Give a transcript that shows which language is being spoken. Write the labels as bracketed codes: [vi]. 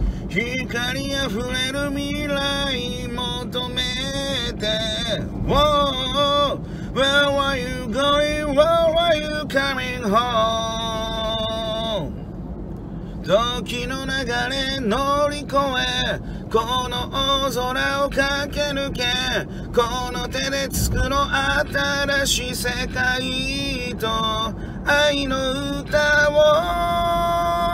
[ja] 光あふれる未来求めて、 [en] Whoa, Where are you going? Where are you coming home? [ja] 時の流れ乗り越え、この大空を駆け抜け、この手で作ろう新しい世界と愛の歌を。